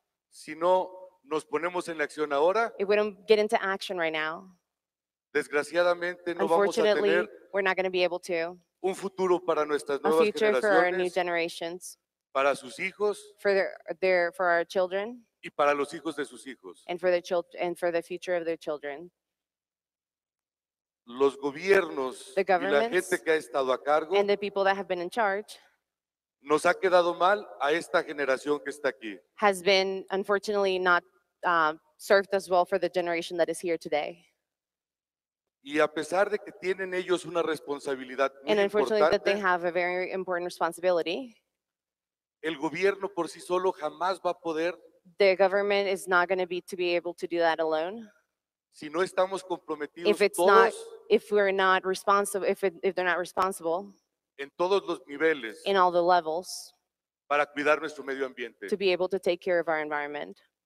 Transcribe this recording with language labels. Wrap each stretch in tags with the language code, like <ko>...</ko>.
<es>Si no nos ponemos en la acción ahora.</es> <en>If we don't get into action right now.</en> <es>Desgraciadamente no vamos a tener.</es> <en>We're not going to be able to.</en> <es>Un futuro para nuestras nuevas generaciones.</es> <en>A future for our new generations.</en> <es>Para sus hijos.</es> <en>For our children.</en> <es>Y para los hijos de sus hijos.</es> <en>And for the future of their children.</en> <es>Los gobiernos y la gente que ha estado a cargo.</es> <en>And the people that have been in charge.</en> <es>Nos ha quedado mal a esta generación que está aquí.</es> <en>Has been unfortunately not served as well for the generation that is here today.</en> <es>Y a pesar de que tienen ellos una responsabilidad muy</es> <en>and unfortunately</en> <es>importante,</es> <en>that they have a very important responsibility.</en> <es>El gobierno por sí solo jamás va a poder.</es> <en>The government is not going to be able to do that alone.</en> <es>Si no estamos comprometidos</es> <en>if it's</en> <es>todos,</es> <en>not, if we're not responsible, if they're not responsible.</en> <es>En todos los niveles.</es> <en>In all the levels.</en> <es>Para cuidar nuestro medio ambiente.</es> <en>To be able to take care of our environment.</en>